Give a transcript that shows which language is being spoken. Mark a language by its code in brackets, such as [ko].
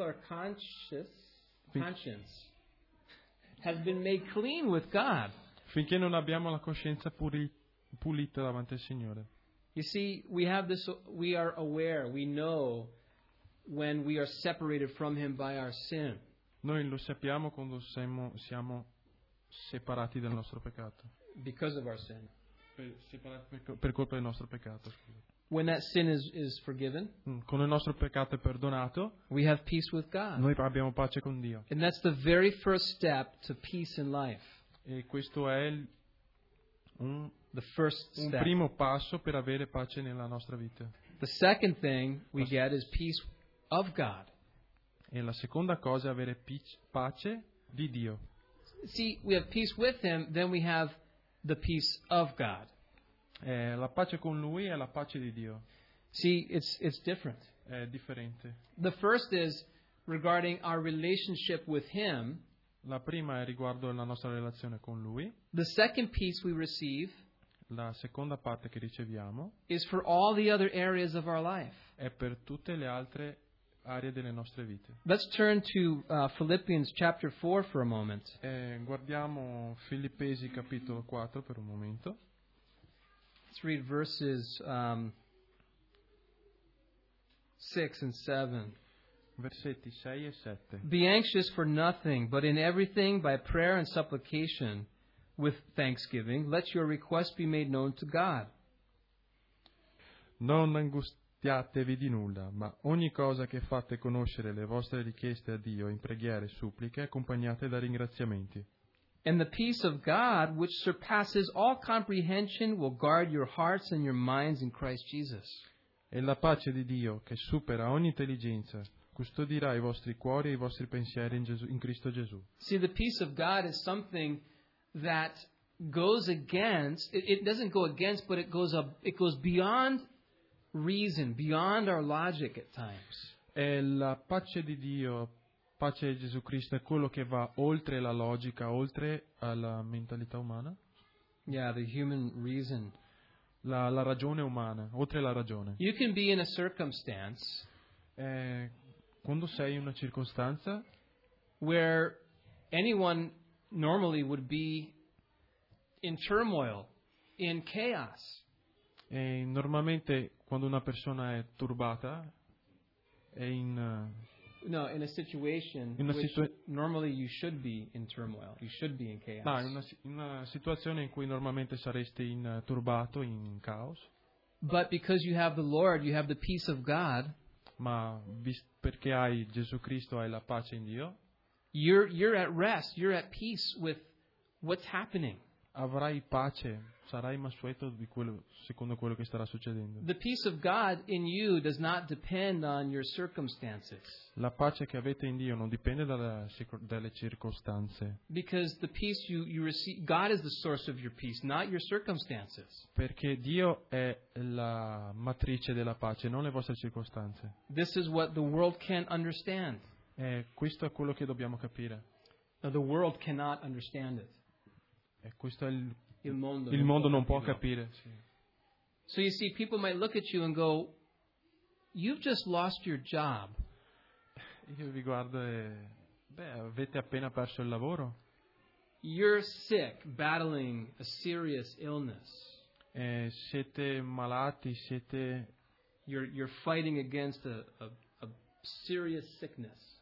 [en] Until our conscience has been made clean with God. [it] Finché non abbiamo la coscienza pulita davanti al Signore. [en] You see, we have this. We are aware. We know when we are separated from Him by our sin. [it] Noi lo sappiamo quando siamo separati dal nostro peccato. [en] Because of our sin. [it] Per colpa del nostro peccato. [en] When that sin is forgiven. [it] Quando il nostro peccato è perdonato. [en] We have peace with God. [it] Noi abbiamo pace con Dio. [en] And that's the very first step to peace in life. [it] E questo è il [en] the first step. [it] Un primo passo per avere pace nella nostra vita. [en] The second thing we get is peace of God. [it] E la seconda cosa è avere pace di Dio. [en] See, we have peace with Him, then we have the peace of God. [it] La pace con Lui è la pace di Dio. [en] See, it's different. [it] È differente. [en] The first is regarding our relationship with Him. [it] La prima è riguardo la nostra relazione con Lui. [en] The second peace we receive. [it] La seconda parte che riceviamo. [en] Is for all the other areas of our life. [it] È per tutte le altre aree delle nostre vite. [en] Let's turn to Philippians chapter 4 for a moment. [it] Guardiamo Filippesi capitolo 4 per un momento. [en] Let's read verses 6 and 7. [it] Versetti 6 e 7. [en] Be anxious for nothing, but in everything by prayer and supplication with thanksgiving let your request be made known to God. [it] Non angustiatevi di nulla, ma ogni cosa che fate conoscere le vostre richieste a Dio in preghiere e suppliche accompagnate da ringraziamenti. [en] And the peace of God, which surpasses all comprehension, will guard your hearts and your minds in Christ Jesus. [it] E la pace di Dio, che supera ogni intelligenza, custodirà i vostri cuori e i vostri pensieri in Cristo Gesù. [en] See, the peace of God is something that goes against, it doesn't go against, but it goes beyond reason, beyond our logic at times. [it] È la pace di Dio, pace di Gesù Cristo, è quello che va oltre la logica, oltre alla mentalità umana. [en] Yeah, the human reason. [it] La ragione umana, oltre la ragione. [en] You can be in a circumstance. [it] Quando sei in una circostanza. [en] Where anyone normally would be in turmoil, in chaos. [it] E normalmente quando una persona è turbata è in [en] in a situation in a normally you should be in turmoil, you should be in chaos. [it] No, in una situazione in cui normalmente saresti in turbato, in caos. [en] But because you have the Lord, you have the peace of God. [it] Ma perché hai Gesù Cristo hai la pace in Dio. [en] You're at rest, you're at peace with what's happening. [it] avrai pace, sarai mansueto di quello, secondo quello che starà succedendo. [en] The peace of God in you does not depend on your circumstances. [it] La pace che avete in Dio non dipende dalle circostanze. [en] Because the peace you receive, God is the source of your peace, not your circumstances. [it] Perché Dio è la matrice della pace, non le vostre circostanze. [en] This is what the world can't understand. [it] E questo è quello che dobbiamo capire. [en] Now, the world cannot understand it. [it] E questo è il mondo non può capire. [en] So you see, people might look at you and go, "You've just lost your job." [it] Io vi guardo e avete appena perso il lavoro. [en] You're sick, battling a serious illness. [it] E siete malati, siete. [en] You're fighting against a serious sickness.